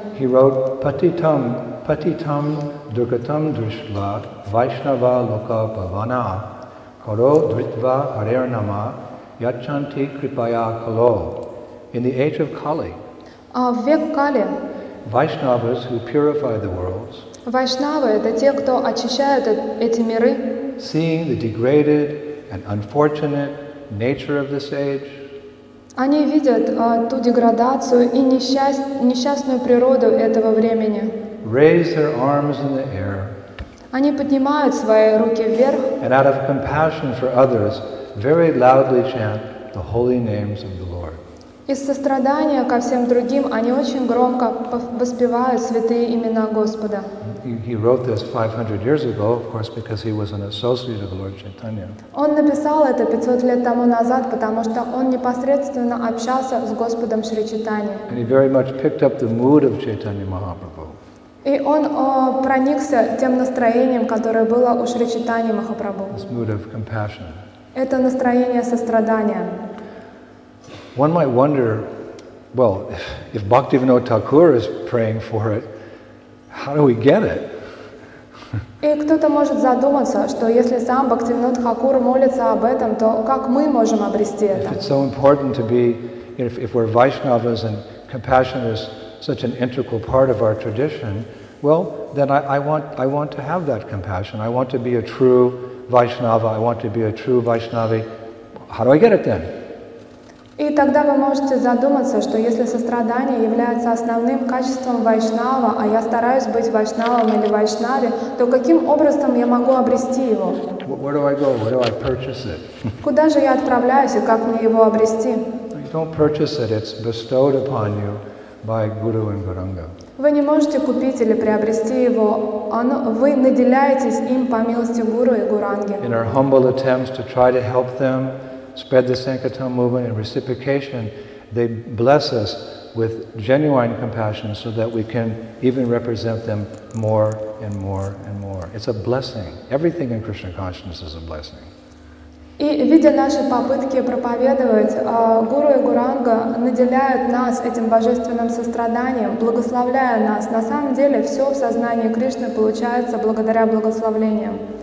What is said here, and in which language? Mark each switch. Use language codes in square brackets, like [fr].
[en] He wrote [sa] patitam patitam durgatam drishva vaishnava loka bhavana karo dritva harirnama yachanti kripaya kalo. [en] In the age of Kali. [ru] В век Кали. [en] Vaishnavas who purify the worlds. [ru] Вайшнавы — это те, кто очищают эти миры. [en] Seeing the degraded and unfortunate nature of this age. [ru] Они видят ту деградацию и несчастную природу этого времени. [en] Raise their arms in the air. [ru] Они поднимают свои руки вверх. [en] And out of compassion for others, very loudly chant the holy names of the Lord. [ru] Из сострадания ко всем другим они очень громко воспевают святые имена Господа. [en] He wrote this 500 years ago, of course, because he was an associate of Lord Chaitanya. [ru] Он написал это 500 лет тому назад, потому что он непосредственно общался с Господом Шри Чайтаньей. [en] And he very much picked up the mood of Chaitanya Mahaprabhu. [ru] И он проникся тем настроением, которое было у Шри Чайтаньи Махапрабху. [en] This mood of compassion. [ru] Это настроение сострадания. [en] One might wonder, well, if Bhaktivinoda Thakur is praying for it, how do we get it? [ru] И кто-то может задуматься, что если сам Бхактивинода Тхакур молится об этом, то как мы можем обрести это? [en] If it's so important to be, if we're Vaishnavas and compassion is such an integral part of our tradition, well, then I want to have that compassion. I want to be a true Vaishnava. I want to be a true Vaishnavi. How do I get it then? [ru] И тогда вы можете задуматься, что если сострадание является основным качеством вайшнава, а я стараюсь быть вайшнавом или вайшнаве, то каким образом я могу обрести его? [en] Where do I go? Where do I purchase it? [ru] Куда же я отправляюсь и как мне его обрести? [en] You don't purchase it. It's bestowed upon you by Guru and Guranga. [ru] Вы не можете купить или приобрести его. Вы наделяетесь им по милости Гуру и Гуранги. [en] In our humble attempts to try to help them spread the Sankirtan movement in reciprocation, they bless us with genuine compassion so that we can even represent them more and more and more. It's a blessing. Everything in Krishna consciousness is a blessing. [ru] И видя наши попытки проповедовать, Гуру и Гуранга наделяют нас этим божественным состраданием, благословляя нас. На самом деле, все в сознании Кришны получается благодаря благословлениям.